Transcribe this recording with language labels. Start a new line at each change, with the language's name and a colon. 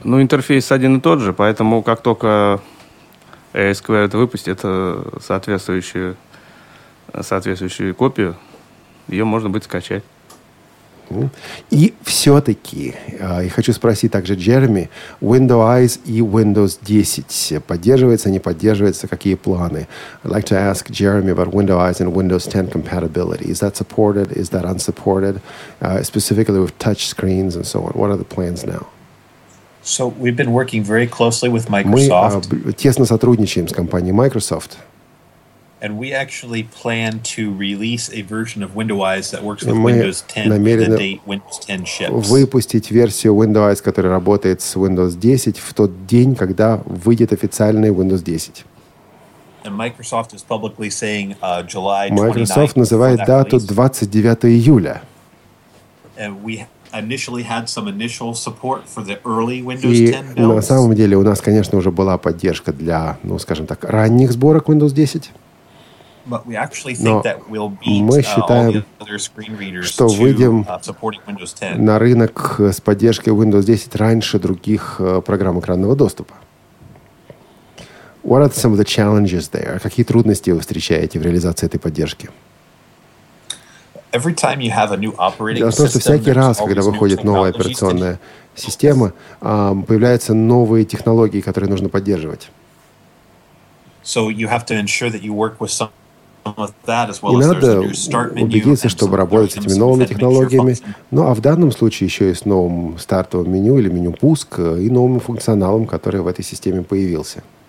Russian: Ну, интерфейс один и тот же, поэтому как только ASQR это выпустит, соответствующую копию, ее можно будет скачать. И все-таки, я хочу спросить также Джереми, Windows Eyes и Windows 10 поддерживается, не поддерживается, какие планы?
English: I'd like to ask Jeremy about Windows Eyes and Windows 10 compatibility. Is that supported? Is that unsupported? Specifically with touch screens and so on. What are the plans now? So we've been working very closely with Microsoft.
Russian: Мы тесно сотрудничаем с компанией Microsoft.
English: And we actually plan to release a version of Windows Eyes that works with Windows 10 the date Windows 10 ships.
Russian: Выпустить версию Windows Eyes, которая работает с Windows 10, в тот день, когда выйдет официальный Windows 10.
English: And Microsoft is publicly saying July 29th.
Russian: Microsoft называет дату 29 июля.
English: And we initially had some initial support for the early Windows 10 builds.
Russian: И на самом деле у нас, конечно, уже была поддержка для, ну, скажем так, ранних сборок Windows 10.
English: But we actually think that we'll beat,
Russian: мы считаем,
English: all the other screen readers
Russian: что
English: to,
Russian: выйдем
English: supporting Windows 10.
Russian: На рынок с поддержкой Windows 10 раньше других программ экранного доступа.
English: What are some of the challenges there?
Russian: Какие трудности вы встречаете в реализации этой поддержки?
English: Every time you have a new operating system,
Russian: потому что всякий раз, когда выходит новая операционная система, появляются новые технологии, которые нужно поддерживать.
English: So you have to ensure that you work with some.
Russian: И надо убедиться, чтобы работать с этими новыми технологиями. Ну, а в данном случае еще и с новым стартовым меню или меню пуск и новым функционалом, который в этой системе появился.